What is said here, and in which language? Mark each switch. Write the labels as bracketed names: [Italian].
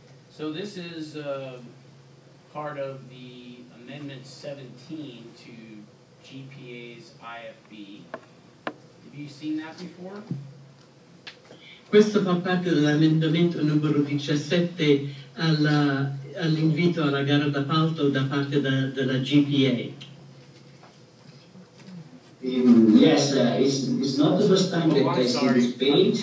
[English] So this is part of the Amendment 17 to GPA's IFB. Have you seen that before? [Italian] Questo fa parte dell'emendamento numero 17 all'invito alla gara d'appalto da parte della GPA. [English] Yes, it's not the first time that I see this page.